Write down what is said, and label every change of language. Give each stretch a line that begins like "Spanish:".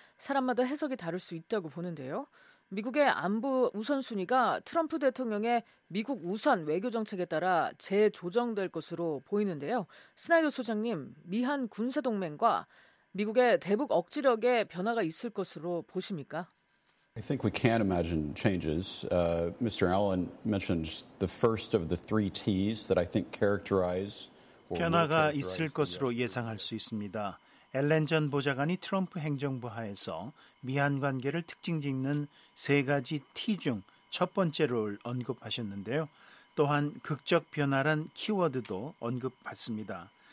Korean: 사람마다 해석이 다를 수 있다고 보는데요. 미국의 안보 우선순위가 트럼프 대통령의 미국 우선 외교정책에 따라 재조정될 것으로 보이는데요. 스나이더 소장님, 미한 군사동맹과 미국의 대북 억지력에 변화가 있을 것으로 보십니까?
English: I think we can imagine changes. Mr. Allen mentioned the first of the three T's that I think characterize
Korean: 변화가 있을 것으로 예상할 수 있습니다. 앨런 전 보좌관이 트럼프 행정부 하에서 미한 관계를 특징짓는 세 가지 T 중 첫 번째를 언급하셨는데요. 또한 극적 변화란 키워드도 언급받습니다.